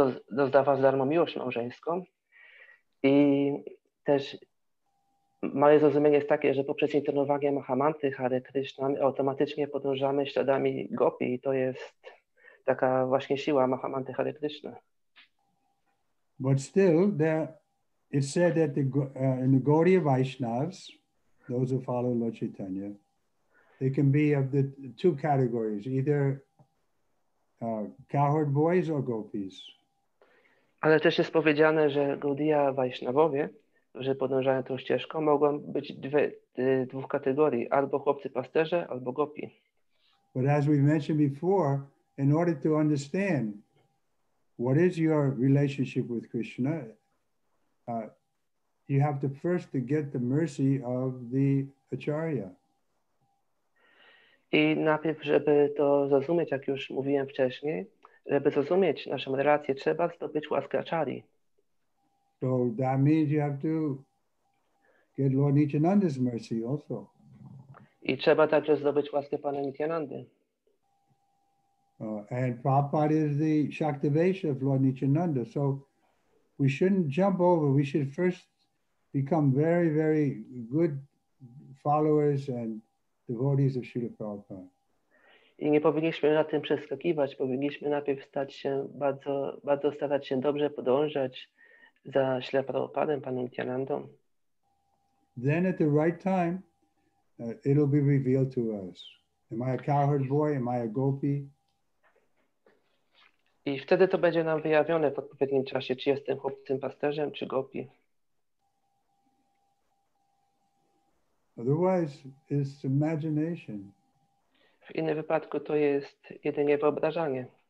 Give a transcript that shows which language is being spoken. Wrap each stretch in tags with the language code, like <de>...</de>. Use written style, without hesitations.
<pl>rozdawał za darmo miłość małżeńską i też moje zrozumienie jest takie, że poprzez internowanie Mahamanty Hare Krishna automatycznie podążamy śladami Gopi i to jest taka właśnie siła Mahamanty Hare Krishna.</pl> <en>But still, there is said that the in the Gaudiya Vaishnavas, those who follow Lord Chaitanya, they can be of the two categories, either cowherd boys or gopis.</en> <pl>Ale też jest powiedziane, że Gaudiya Vaishnavowie, którzy podążają tą ścieżką, mogą być dwóch kategorii, albo chłopcy pasterze, albo gopi.</pl> <en>But as we mentioned before, in order to understand what is your relationship with Krishna? You have to first to get the mercy of the Acharya.</en> <pl>I najpierw, żeby to zrozumieć, jak już mówiłem wcześniej, żeby zrozumieć naszą relację, trzeba zdobyć łaskę Acharyi.</pl> <en>So that means you have to get Lord Nityananda's mercy also.</en> <pl>I trzeba także zdobyć łaskę Pana Nityanandy.</pl> <en>And Prabhupada is the Shaktivesha of Lord Nityananda. So we shouldn't jump over. We should first become very, very good followers and devotees of Śrīla Prabhupada.</en> <pl>I nie powinniśmy na tym przeskakiwać. Powinniśmy najpierw stać się bardzo, bardzo starać się dobrze podążać za Śrīla Prabhupadem, Panem Nityanandą.</pl> <en>Then at the right time, it'll be revealed to us. Am I a cowherd boy? Am I a gopi?</en> <pl>I wtedy to będzie nam wyjawione w odpowiednim czasie, czy jestem chłopcem pasterzem, czy gopi.</pl> <en>Otherwise, it's imagination.</en> <pl>W innym wypadku to jest jedynie wyobrażanie.</pl>